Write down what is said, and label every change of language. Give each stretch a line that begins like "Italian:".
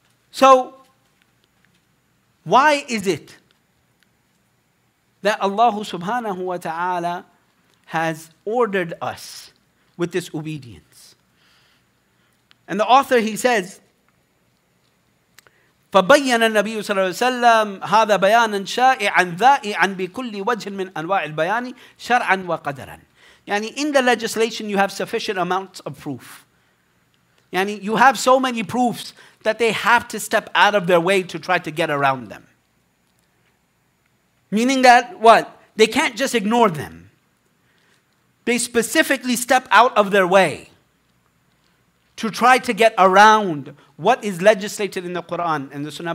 English: So, why is it that Allah subhanahu wa ta'ala has ordered us with this obedience? And the author, he says,
Arabic: فَبَيَّنَ النَّبِيُّ صَلَّى اللَّهُ عَلَيْهِ وَسَلَّمُ هَذَا بَيَانًا شَائِعًا ذَائِعًا بِكُلِّ وَجْهٍ مِنْ أَنْوَاعِ الْبَيَانِ شَرْعًا وَقَدَرًا يعني
English: in the legislation you have sufficient amounts of proof. يعني you have so many proofs that they have to step out of their way to try to get around them. Meaning that what? They can't just ignore them. They specifically step out of their way to try to get around what is legislated in the Quran and the Sunnah.